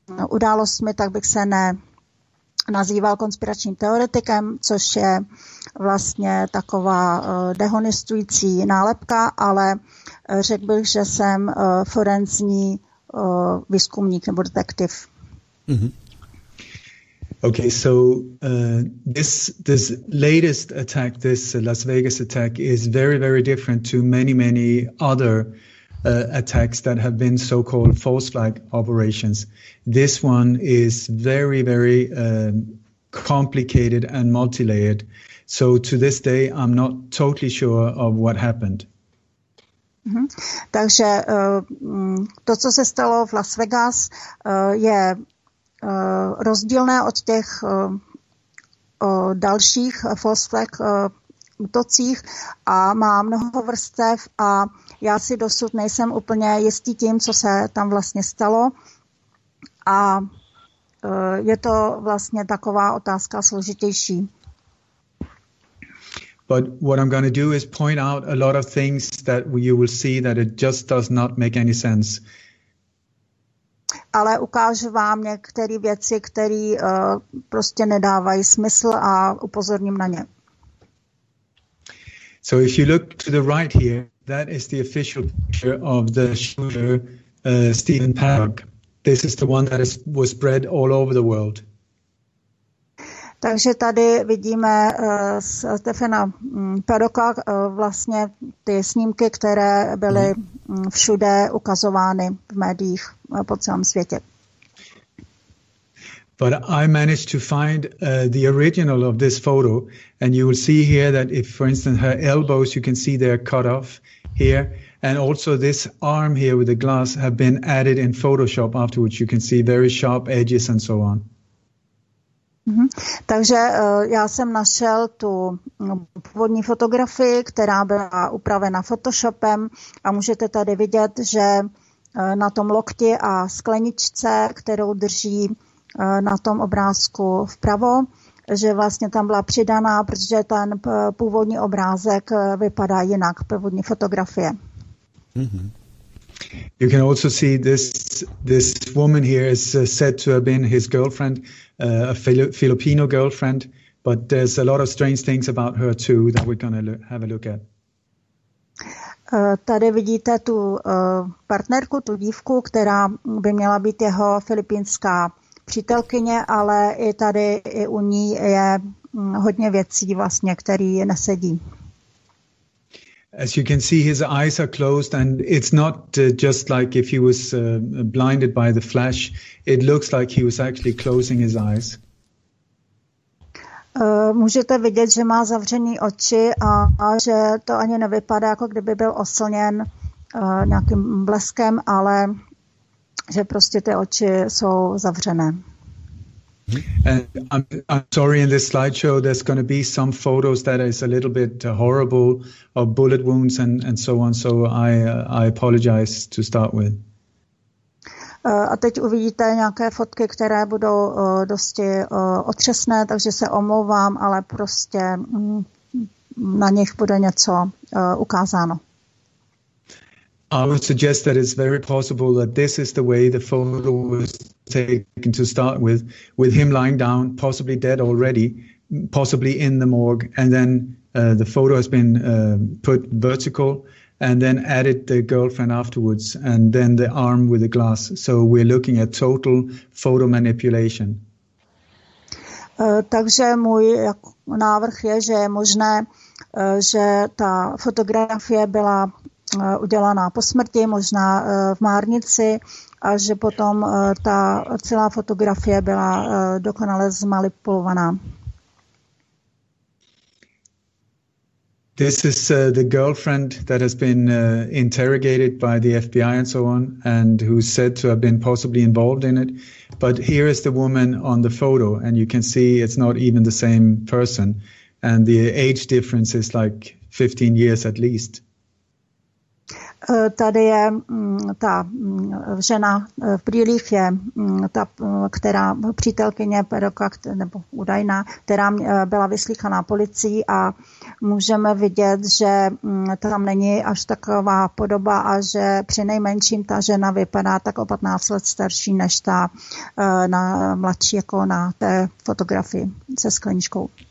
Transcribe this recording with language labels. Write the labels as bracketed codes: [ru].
[cs] událostmi, tak bych se nenazýval konspiračním teoretikem, což je vlastně taková dehonestující nálepka, ale řekl bych, že jsem forenzní výzkumník nebo detektiv. Mm-hmm. [en] Okay, so this latest attack, this Las Vegas attack, is very, very different to many, many other attacks that have been so-called false flag operations. This one is very, very complicated and multi-layered. So to this day, I'm not totally sure of what happened. Mm-hmm. [cs] Takže to, co se stalo v Las Vegas, je rozdílné od těch dalších false flag útocích a má mnoho vrstev a já si dosud nejsem úplně jistý tím, co se tam vlastně stalo a je to vlastně taková otázka složitější. [en] But what I'm going to do is point out a lot of things that you will see that it just does not make any sense. [cs] Ale ukážu vám některé věci, které prostě nedávají smysl a upozorním na ně. [en] So if you look to the right here, that is the official picture of the shooter, Stephen Paddock. This is the one that is, was spread all over the world. [cs] Takže tady vidíme Stephena Paddocka vlastně ty snímky, které byly všude ukazovány v médiích po celém světě. [en] But I managed to find the original of this photo and you will see here that if for instance her elbows you can see they're cut off here and also this arm here with the glass have been added in Photoshop afterwards you can see very sharp edges and so on. Mm-hmm. [cs] Takže já jsem našel tu původní fotografii, která byla upravena Photoshopem a můžete tady vidět, že na tom lokti a skleničce, kterou drží na tom obrázku vpravo, že vlastně tam byla přidaná, protože ten původní obrázek vypadá jinak, původní fotografie. Mm-hmm. [en] You can also see this woman here is said to have been his girlfriend. A Filipino girlfriend, but there's a lot of strange things about her too that we're going to have a look at. [cs] Tady vidíte tu partnerku, tu dívku, která by měla být jeho filipínská přítelkyně, ale i tady i u ní je hodně věcí vlastně, které nesedí. [en] As you can see, his eyes are closed and it's not just like if he was blinded by the flash. It looks like he was actually closing his eyes. [cs] Můžete vidět, že má zavřený oči a že to ani nevypadá, jako kdyby byl oslněn nějakým bleskem, ale že prostě ty oči jsou zavřené. [en] And I'm sorry, in this slideshow, there's going to be some photos that is a little bit horrible of bullet wounds and so on. So I apologize to start with. [cs] A teď uvidíte nějaké fotky, které budou dosti otřesné, takže se omlouvám, ale prostě na nich bude něco ukázáno. [en] I would suggest that it's very possible that this is the way the photo was taken to start with him lying down, possibly dead already, possibly in the morgue, and then the photo has been put vertical, and then added the girlfriend afterwards, and then the arm with the glass. So we're looking at total photo manipulation. [cs] Takže můj návrh je, že je možné, že ta fotografie byla udělaná po smrti, možná v márnici, a že potom ta celá fotografie byla dokonale zmanipulovaná. [en] This is the girlfriend that has been interrogated by the FBI and so on, and who's said to have been possibly involved in it. But here is the woman on the photo, and you can see it's not even the same person, and the age difference is like 15 years at least. [cs] tady je ta žena v brýlích, je ta, která přítelkyně Peroka, nebo údajná, která byla vyslíchaná policií, a můžeme vidět, že tam není až taková podoba a že přinejmenším ta žena vypadá tak o 15 let starší než ta na mladší, jako na té fotografii se skleničkou.